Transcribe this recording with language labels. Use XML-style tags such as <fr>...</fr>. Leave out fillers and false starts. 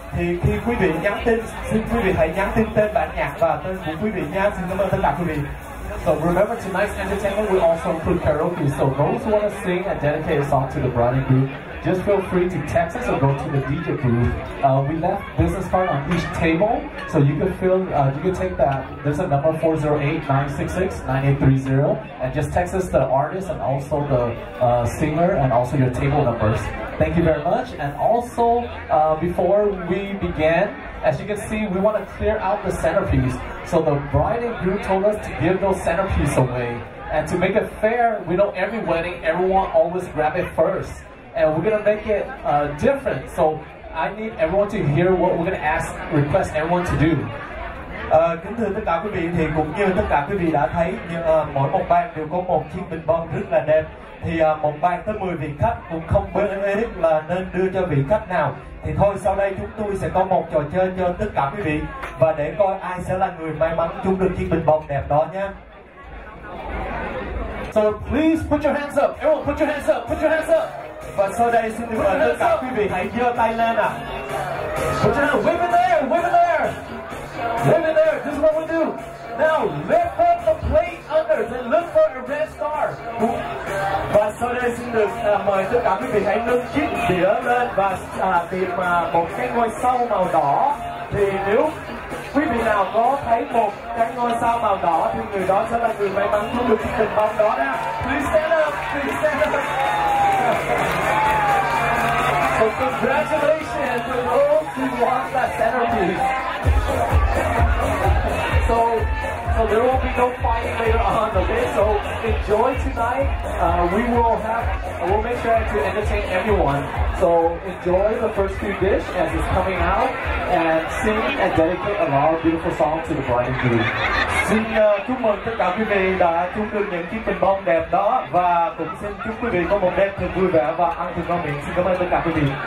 <vi>Thì khi quý vị nhắn tin, xin quý vị hãy nhắn tin tên bản nhạc và tên của quý vị nha. Xin cảm ơn tất cả quý vị.</vi> <en>So remember, tonight's entertainment we also include karaoke. So those who want to sing and dedicate a song to the bride and groom, just feel free to text us or go to the DJ booth. We left business card on each table, so you can fill. You can take that. There's a number 408-966-9830, and just text us the artist and also the singer and also your table numbers. Thank you very much. And also, before we begin, as you can see, we want to clear out the centerpiece. So the bride and groom told us to give those centerpiece away. And to make it fair, we know every wedding, everyone always grab it first. And we're gonna make it different. So I need everyone to hear what we're gonna ask, request everyone to do.</en> <vi>Kính thưa tất cả quý vị, thì cũng như tất cả quý vị đã thấy, nhưng mỗi một bàn đều có một chiếc bình bông rất là đẹp. Thì một bàn tới 10 vị khách cũng không biết là nên đưa cho vị khách nào. Thì thôi, sau đây chúng tôi sẽ có một trò chơi cho tất cả quý vị, và để coi ai sẽ là người may mắn chúng được chiếc bình bông đẹp đó nhé.</vi> <en>So please put your hands up, everyone put your hands up, put your hands up.</en> <vi>Và sau đây xin được mời tất cả quý vị hãy giơ tay lên ạ.</vi> <en>Put your hands up, wave it there, wave it there. Wave it there, this is what we do. Now lift up the plate under and look for a red star.</en> <vi>Và sau đây xin được mời tất cả quý vị hãy nâng chiếc đĩa lên và tìm một cái ngôi sao màu đỏ. Thì nếu quý vị nào có thấy một cái ngôi sao màu đỏ thì người đó sẽ là người may mắn thu được chiếc bình bông đó nha.</vi> <en>Please stand up, please stand up. So congratulations to those who won that centerpiece. So there will be no fighting later on, okay? So enjoy tonight. We'll make sure to entertain everyone. So enjoy the first few dish as it's coming out, and sing and dedicate a lot of beautiful songs to the bride and groom.</en> <vi>Xin chúc mừng tất cả quý vị đã chung được những chiếc bình bông đẹp đó, và cũng xin chúc quý vị có một đêm thật vui vẻ và ăn thật ngon miệng. Xin cảm ơn tất cả quý vị.</vi>